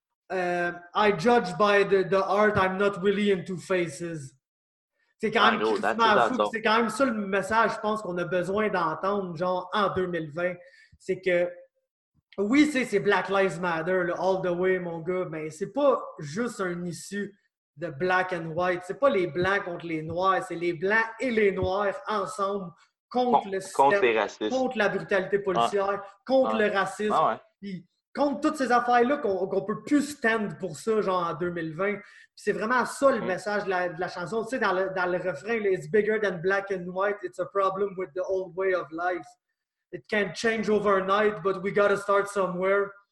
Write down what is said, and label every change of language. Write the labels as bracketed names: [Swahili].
[English] I judge by the art, I'm not really into faces. [French] C'est quand même fou. C'est quand même ça le message, je pense, qu'on a besoin d'entendre, genre, en 2020. C'est que, oui, c'est Black Lives Matter, là, [English] all the way, [French] mon gars, mais c'est pas juste un issue de [English] black and white. [French] C'est pas les blancs contre les noirs, c'est les blancs et les noirs ensemble contre le système, contre les racistes, contre la brutalité policière, contre le racisme. Ah ouais. Puis contre toutes ces affaires-là qu'on peut plus stand pour ça, genre, en 2020. C'est vraiment ça le message de la chanson. Tu sais, dans le refrain, « [English] It's bigger than black and white. It's a problem with the old way of life. It can't change overnight, but we gotta start somewhere.